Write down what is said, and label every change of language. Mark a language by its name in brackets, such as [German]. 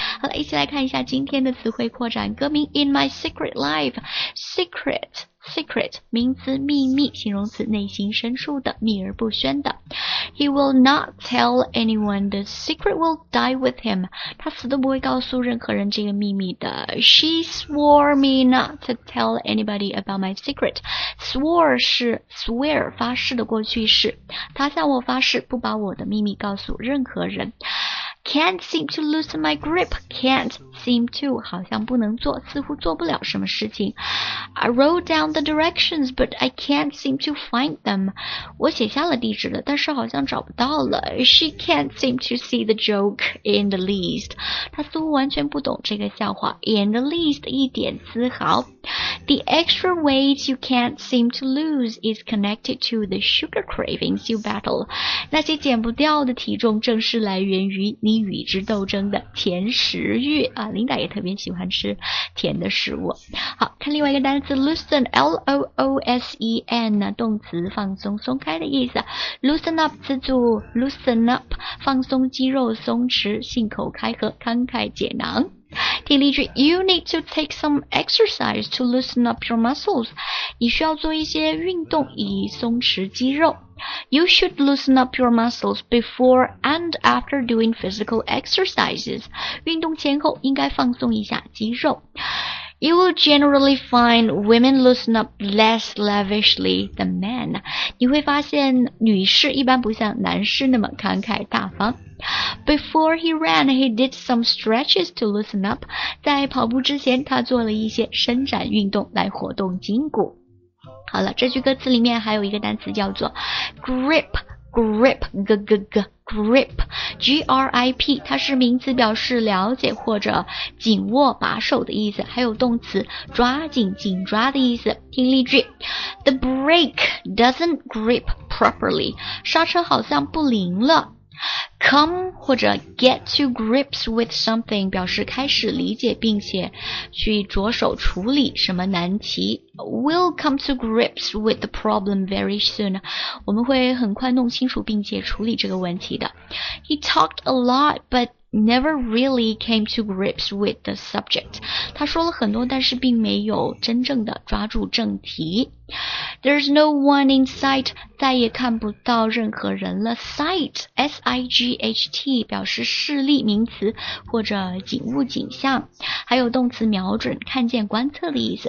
[Chinese] 好了，一起来看一下今天的词汇扩展。歌名 In My Secret Life， Secret， Secret， 名词秘密，形容词内心深处的，秘而不宣的。 [English] He will not tell anyone. The secret will die with him. [Chinese] 他死都不会告诉任何人这个秘密的。 [English] She swore me not to tell anybody about my secret. [Chinese] Swore 是 swear 发誓的过去式。他向我发誓不把我的秘密告诉任何人。 [English] Can't seem to loosen my grip. Can't seem to [Chinese] 好像不能做，似乎做不了什么事情。 [English] I wrote down the directions, but I can't seem to find them. [Chinese] 我写下了地址了，但是好像找不到了。 [English] She can't seem to see the joke in the least. [Chinese] 她似乎完全不懂这个笑话。 In the least 一点丝毫。 [English] The extra weight you can't seem to lose is connected to the sugar cravings you battle. [Chinese] 那些减不掉的体重正是来源于你与之斗争的甜食欲啊，琳达也特别喜欢吃甜的食物。好，看另外一个单词 loosen， L-O-O-S-E-N， 动词放松松开的意思。 loosen up 词组 loosen up， 放松肌肉，松弛，信口开河，慷慨解囊。听例句， [English] You need to take some exercise to loosen up your muscles. [Chinese] 你需要做一些运动以松弛肌肉。 [English] You should loosen up your muscles before and after doing physical exercises. [Chinese] 运动前后应该放松一下肌肉。 [English] You will generally find women loosen up less lavishly than men. [Chinese] 你会发现女士一般不像男士那么慷慨大方。 [English] Before he ran, he did some stretches to loosen up. [Chinese] 在跑步之前，他做了一些伸展运动来活动筋骨。好了，这句歌词里面还有一个单词叫做 grip， grip， grip， G-R-I-P， 它是名词，表示了解或者紧握把手的意思，还有动词抓紧紧抓的意思。听例句， [English] The brake doesn't grip properly. [Chinese] 刹车好像不灵了。Come 或者 get to grips with something 表示开始理解并且去着手处理什么难题。 [English] We'll come to grips with the problem very soon. [Chinese] 我们会很快弄清楚并且处理这个问题的。 [English] He talked a lot, but never really came to grips with the subject. [Chinese] 他说了很多，但是并没有真正的抓住正题。 [English] There's no one in sight， [Chinese] 再也看不到任何人了。 Sight， S-I-G-H-T， 表示视力，名词或者景物景象，还有动词瞄准，看见观测的意思。